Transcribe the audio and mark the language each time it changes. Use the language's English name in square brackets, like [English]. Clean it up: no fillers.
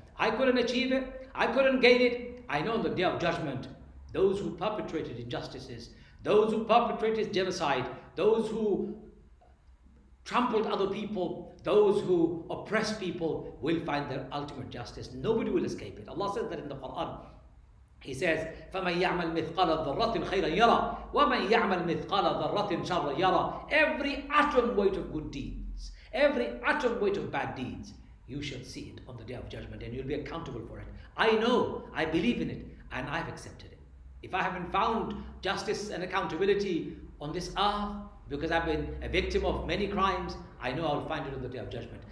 [English] I couldn't achieve it. I couldn't gain it. I know on the Day of Judgment, those who perpetrated injustices, those who perpetrated genocide, those who trampled other people, those who oppressed people will find their ultimate justice. Nobody will escape it. Allah says that in the Quran. He says, [Arabic] فَمَنْ يَعْمَلْ مِثْقَلَ ذَرَّةٍ خَيْرًا يَرَى وَمَنْ يَعْمَلْ مِثْقَلَ ذَرَّةٍ شَرًّا يَرَى. [English] Every atom weight of good deeds, every atom weight of bad deeds, you shall see it on the Day of Judgment and you'll be accountable for it. I know, I believe in it, and I've accepted it. If I haven't found justice and accountability on this earth because I've been a victim of many crimes, I know I'll find it on the Day of Judgment.